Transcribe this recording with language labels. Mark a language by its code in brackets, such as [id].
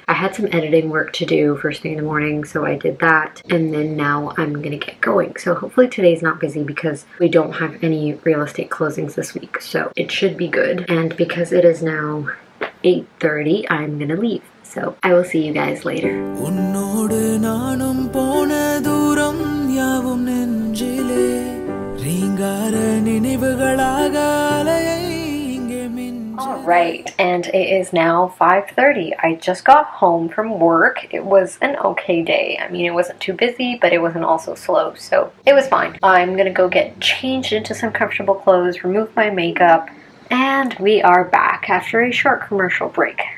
[en] I had some editing work to do first thing in the morning, so I did that, and then now I'm gonna get going. So hopefully today's not busy because we don't have any real estate closings this week, so it should be good. And because it is now 8:30, I'm gonna leave. So I will see you guys later. [ta] உன்னோடு நானும் போன தூரம் யாவும் நெஞ்சிலே ரீங்கார நினைவுகளாக அலையை. [en] Alright, and it is now 5:30. I just got home from work. It was an okay day. I mean, it wasn't too busy, but it wasn't also slow, so it was fine. I'm gonna go get changed into some comfortable clothes, remove my makeup, and we are back after a short commercial break.